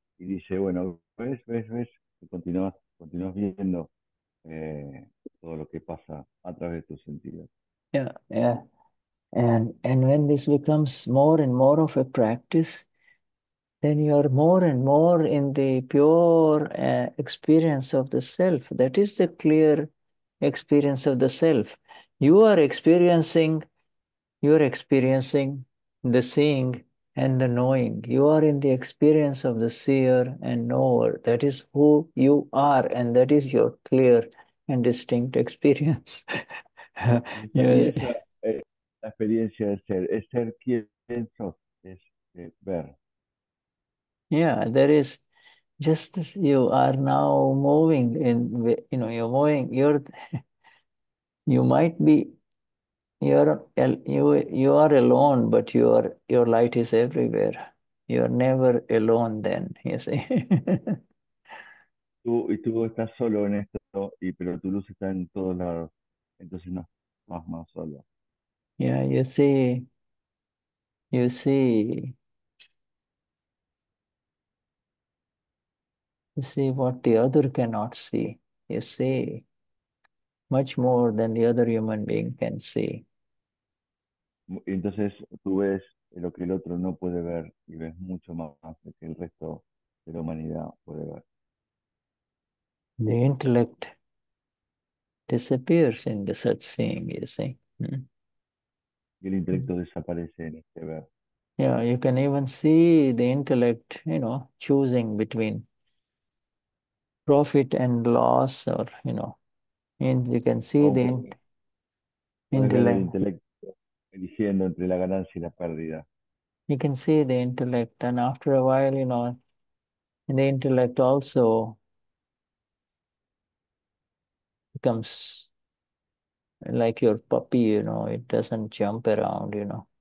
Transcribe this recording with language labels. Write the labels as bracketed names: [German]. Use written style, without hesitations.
[Spanish] Y dice, bueno, ves, y continúas viendo todo lo que pasa a través de tus sentidos. [English] Yeah. And when this becomes more and more of a practice, then you are more and more in the pure experience of the self. That is the clear experience of the self. You are experiencing the seeing and the knowing. You are in the experience of the seer and knower. That is who you are, and that is your clear and distinct experience. [Spanish] La experiencia es ser quien sos, es ver. [English] Yeah, there is, just as you are now moving in, you know, you're moving, you are alone, but your light is everywhere. You're never alone then, you see. [Spanish] Tú estás solo en esto, pero tu luz está en todos lados. Entonces no, más solo. [English] Yeah, you see what the other cannot see. You see much more than the other human being can see. [Spanish] Entonces tú ves lo que el otro no puede ver y ves mucho más de que el resto de la humanidad puede ver. [English] The intellect disappears in the such seeing, you see. [Spanish] Y el intelecto desaparece en este ver. [English] Yeah, you can even see the intellect, you know, choosing between profit and loss, or, you know, and you can see the [Spanish] intellect eligiendo entre la ganancia y la pérdida. [English] You can see the intellect, and after a while, you know, the intellect also becomes like your puppy, you know, it doesn't jump around, you know.